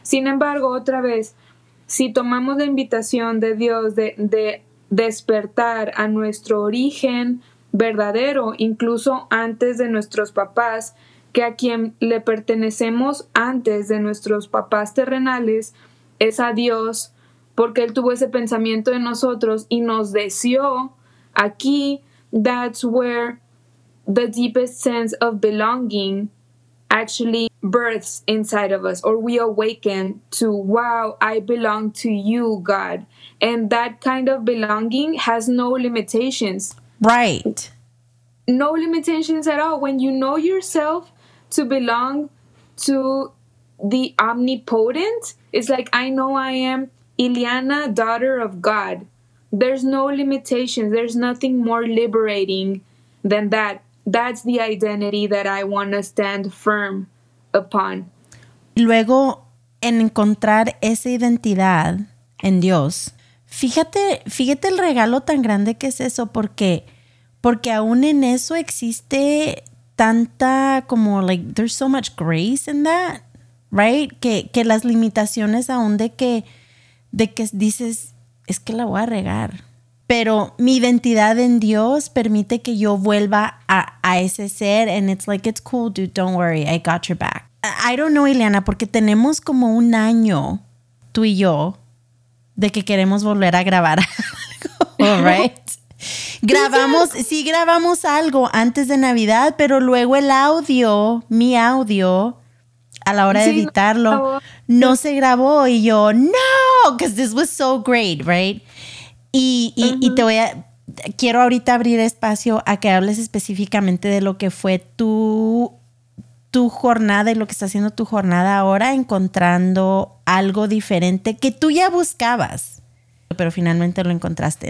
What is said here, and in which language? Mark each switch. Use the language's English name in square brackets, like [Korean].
[Spanish] Sin embargo, otra vez, si tomamos la invitación de Dios de despertar a nuestro origen verdadero, incluso antes de nuestros papás, que a quien le pertenecemos antes de nuestros papás terrenales es a Dios, porque Él tuvo ese pensamiento de nosotros y nos deseó aquí, [English] that's where the deepest sense of belonging actually births inside of us, or we awaken to, wow, I belong to you, God. And that kind of belonging has no limitations. Right. No limitations at all. When you know yourself to belong to the omnipotent, it's like, I know I am Iliana, daughter of God. There's no limitations. There's nothing more liberating than that. That's the identity that I want to stand firm upon. [Spanish] Luego, en encontrar esa identidad en Dios, fíjate el regalo tan grande que es eso, porque aún en eso existe tanta, como, [English] like, there's so much grace in that, right? [Spanish] Que las limitaciones aún de que dices, es que la voy a regar. Pero mi identidad en Dios permite que yo vuelva a ese ser. [English] And it's like, it's cool, dude, don't worry, I got your back. I don't know, [Spanish] Iliana, porque tenemos como un año, tú y yo, de que queremos volver a grabar algo, [English] right? [Spanish] Grabamos, sí grabamos algo antes de Navidad, pero luego el audio, mi audio, a la hora de editarlo, no se grabó. Y yo, no, [English] because this was so great, right? [Spanish] Y te voy a, quiero ahorita abrir espacio a que hables específicamente de lo que fue tu jornada y lo que está haciendo tu jornada ahora, encontrando algo diferente que tú ya buscabas, pero finalmente lo encontraste.